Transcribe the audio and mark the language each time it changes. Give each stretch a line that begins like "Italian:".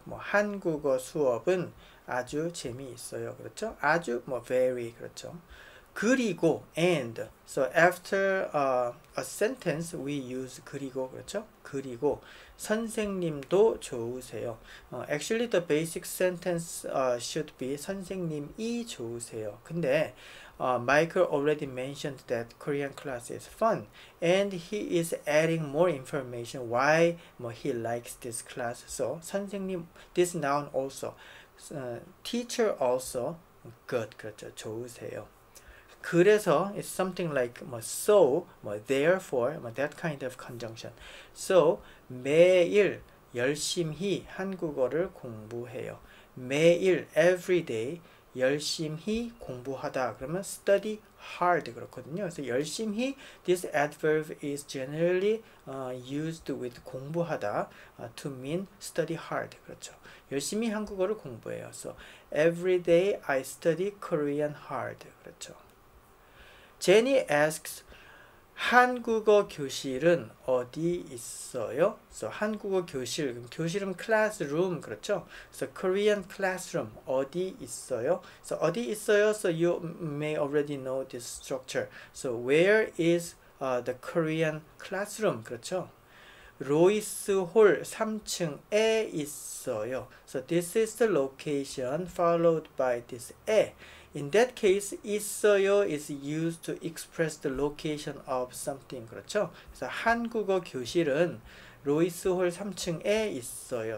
Korean: 뭐 한국어 수업은 아주 재미있어요. 그렇죠? 아주 뭐 very 그렇죠? 그리고
English: and so after a sentence we use
Korean: 그리고 그렇죠? 그리고 선생님도 좋으세요.
English: Actually the basic sentence should be
Korean: 선생님이 좋으세요.
English: 근데 Michael already mentioned that Korean class is fun and he is adding more information why 뭐 he likes this class. So 선생님 this noun also teacher also good 그렇죠 좋으세요. 그래서 it's something like 뭐 so 뭐 therefore 뭐 that kind of conjunction.
Korean: So 매일 열심히 한국어를 공부해요. 매일 every day 열심히 공부하다 그러면 study hard 그렇거든요.
English: 그래서 열심히 this adverb is generally used with 공부하다 to mean study hard 그렇죠.
Korean: 열심히 한국어를 공부해요.
English: So every day I study Korean hard 그렇죠. Jenny asks
Korean: 한국어 교실은 어디 있어요? So 한국어 교실, 교실은 classroom 그렇죠?
English: So Korean classroom
Korean: 어디 있어요?
English: So 어디 있어요? So you may already know this structure. So where is the Korean classroom 그렇죠?
Korean: 로이스 홀 3층에 있어요.
English: So this is the location followed by this 에. In that case, 있어요 is used to express the location of something.
Korean: 그렇죠? 그래서 한국어 교실은 로이스 홀 3층에 있어요.